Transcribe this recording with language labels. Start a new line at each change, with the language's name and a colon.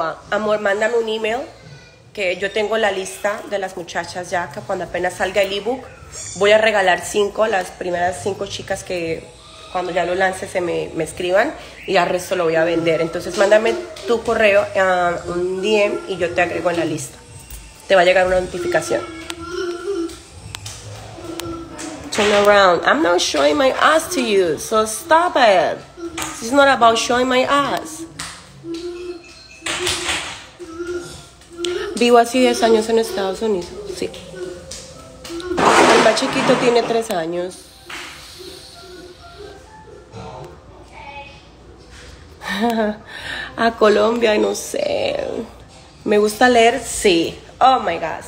Spanish: Amor, mándame un email, que yo tengo la lista de las muchachas ya, que cuando apenas salga el ebook, voy a regalar 5, las primeras 5 chicas que cuando ya lo lance se me escriban, y al resto lo voy a vender. Entonces mándame tu correo, un DM, y yo te agrego en la lista. Te va a llegar una notificación.
English: Turn around. I'm not showing my ass to you, so stop it. It's not about showing my ass.
Spanish: Vivo así 10 años en Estados Unidos. Sí. El más chiquito tiene 3 años. A Colombia, no sé. ¿Me gusta leer? Sí.
English: Oh my God.